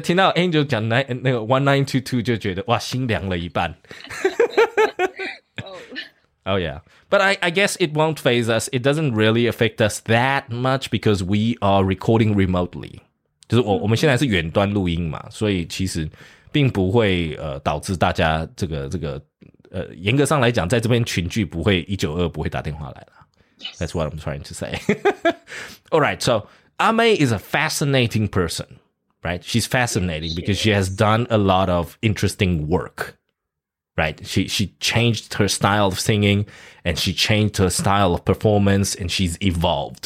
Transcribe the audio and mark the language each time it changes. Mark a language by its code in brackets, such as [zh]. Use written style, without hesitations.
[zh] 听到 Angel 讲那个 1922就觉得哇，心凉了一半。 [en] Oh yeah, but I guess it won't faze us. It doesn't really affect us that much because we are recording remotely. [zh] 就是我们现在是远端录音嘛，所以其实并不会导致大家这个严格上来讲，在这边群聚不会192不会打电话来啦。 [en] Yes. That's what I'm trying to say. All right, so Ame is a fascinating person, right? She's fascinating because she has done a lot of interesting work, right? She changed her style of singing and she changed her style of performance and she's evolved.